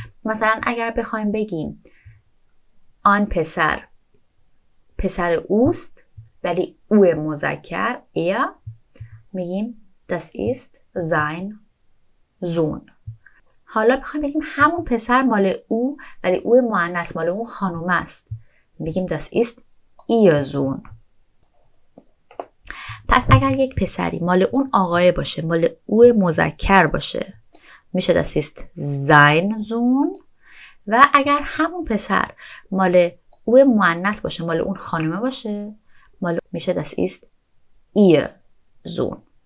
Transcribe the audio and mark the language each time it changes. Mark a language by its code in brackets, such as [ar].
[fa] مثلا اگر بخوایم بگیم آن پسر پسر اوست ولی او مذکر ایا، میگیم دس ایست زین زون. حالا بخوایم بگیم همون پسر مال او ولی او مؤنث، مال اون خانم است، [de] میگیم das ist ihr Sohn. [fa] پس اگر یک پسری مال اون آقای باشه، مال او مذکر باشه، میشه [de] das ist sein Sohn. [fa] و اگر همون پسر مال او مؤنث باشه، مال اون خانمه باشه، مال میشه [de] das ist ihr Sohn.